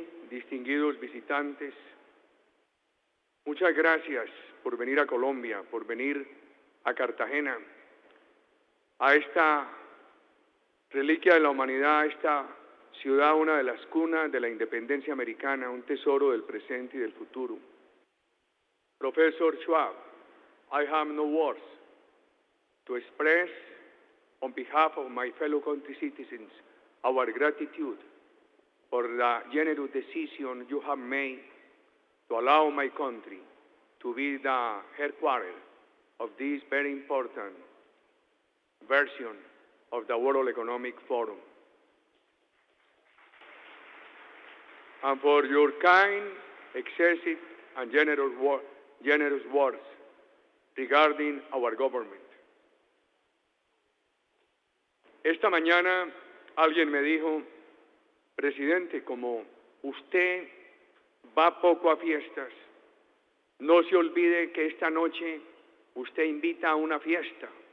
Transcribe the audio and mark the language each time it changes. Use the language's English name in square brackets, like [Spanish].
[Spanish] distinguidos visitantes, muchas gracias por venir a Colombia, por venir a Cartagena, a esta reliquia de la humanidad, a esta ciudad, una de las cunas de la independencia americana, un tesoro del presente y del futuro. [English] Profesor Schwab, I have no words to express on behalf of my fellow country citizens our gratitude for the generous decision you have made to allow my country to be the headquarters of this very important version of the World Economic Forum. And for your kind, excessive, and generous words regarding our government. [Spanish] Esta mañana alguien me dijo, presidente, como usted va poco a fiestas, no se olvide que esta noche usted invita a una fiesta.